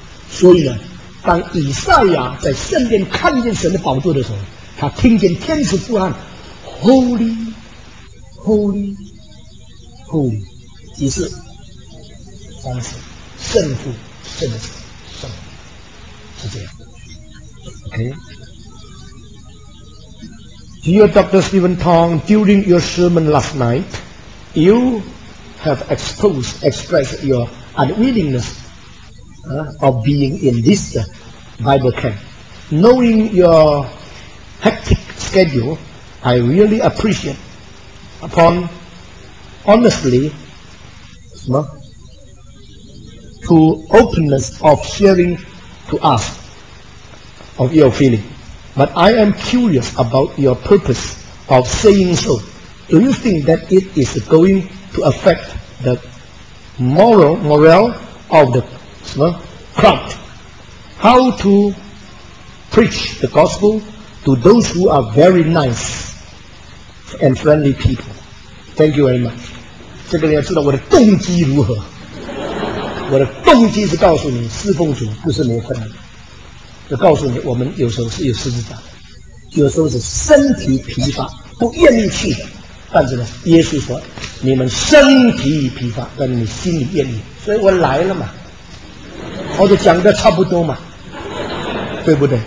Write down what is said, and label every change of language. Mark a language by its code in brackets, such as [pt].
[zh] 所以呢，当以赛亚在圣殿看见神的宝座的时候，他听见天使呼喊 [en] Holy Holy Holy [zh] 几次？ 3次，圣父、圣子、圣灵，是这样。 [en] OK。 Dear Dr. Stephen Tong, during your sermon last night, you have expressed your unwillingness of being in this Bible camp. Knowing your hectic schedule, I really appreciate upon honestly to openness of sharing to us of your feeling. But I am curious about your purpose of saying so. Do you think that it is going to affect the morale of the crowd? How to preach the gospel to those who are very nice, and friendly people. Thank you very much. [zh] 这个人要知道我的动机如何。我的动机是告诉你，侍奉主不是没困难，就告诉你，我们有时候是有狮子胆，有时候是身体疲乏，不愿意去的。但是呢，耶稣说，你们身体疲乏，但是你心里愿意，所以我来了嘛，我就讲的差不多嘛，对不对？